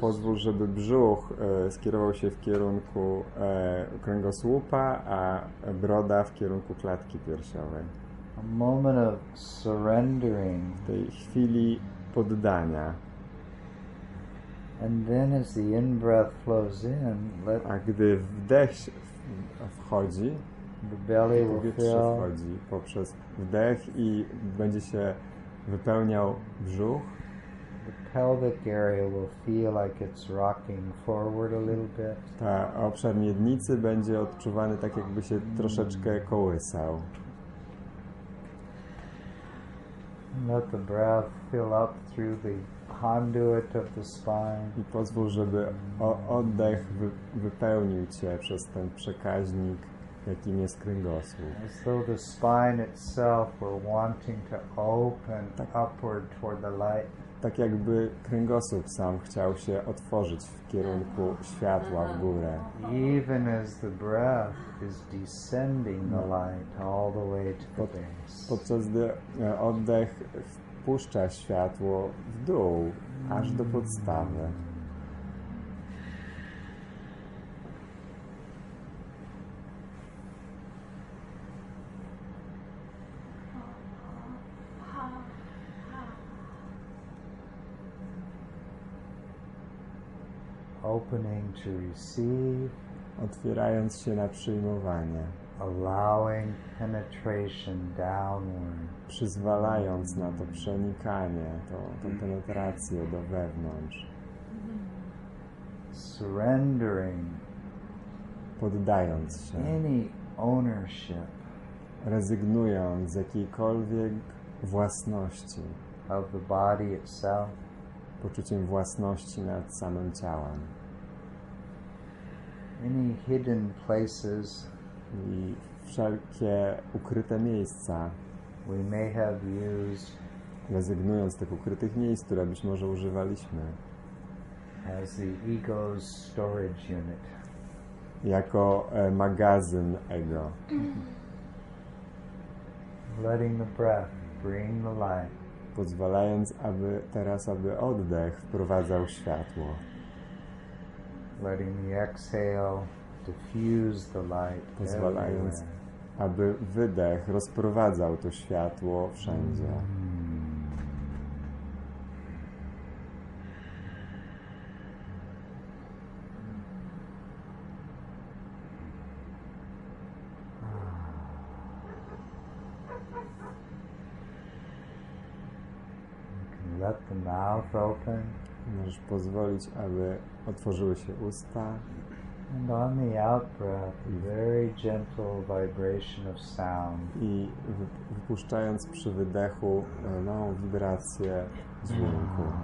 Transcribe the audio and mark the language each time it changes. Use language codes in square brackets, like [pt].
[pl] Pozwól, żeby brzuch skierował się w kierunku kręgosłupa, a broda w kierunku klatki piersiowej. [en] A moment of surrendering. [pl] W tej chwili poddania. [en] And then as the in-breath flows in, let... [pl] A gdy wdech wchodzi, [en] the belly will fill. [pl] Wchodzi poprzez wdech i będzie się wypełniał brzuch. [en] The pelvic area will feel like it's rocking forward a little bit. [pl] Ta obszar miednicy będzie odczuwany tak, jakby się troszeczkę kołysał. [en] Let the breath fill up through the conduit of the spine. [pl] I pozwól, żeby oddech wypełnił cię przez ten przekaźnik, jakim jest kręgosłup. [en] As though the spine itself were wanting to open [pl] tak, [en] upward toward the light. [pl] Tak jakby kręgosłup sam chciał się otworzyć w kierunku światła, w górę. [en] Even as the breath is descending the light all the way to the base. [pl] Podczas gdy oddech wpuszcza światło w dół, aż do podstawy. [en] Opening to receive, [pl] otwierając się na przyjmowanie, [en] allowing penetration downward, [pl] przyzwalając na to przenikanie, tą penetrację do wewnątrz, [en] surrendering, [pl] poddając się, [en] any ownership, [pl] rezygnując z jakiejkolwiek własności, [en] of the body itself, [pl] poczuciem własności nad samym ciałem. [en] Any hidden places, [pl] i wszelkie ukryte miejsca, [en] we may have used, [pl] rezygnując z tych ukrytych miejsc, które być może używaliśmy, [en] as the ego's storage unit, [pl] jako magazyn ego. [en] Letting the breath bring the light, [pl] pozwalając aby teraz aby oddech wprowadzał światło. [en] Letting the exhale diffuse the light. [pl] Pozwalając aby wydech rozprowadzał to światło wszędzie. [en] Let the mouth open. [pl] Możesz pozwolić, aby otworzyły się usta. [en] And on the out-breath, very gentle vibration of sound. [pl] I wypuszczając przy wydechu małą wibrację dźwięku.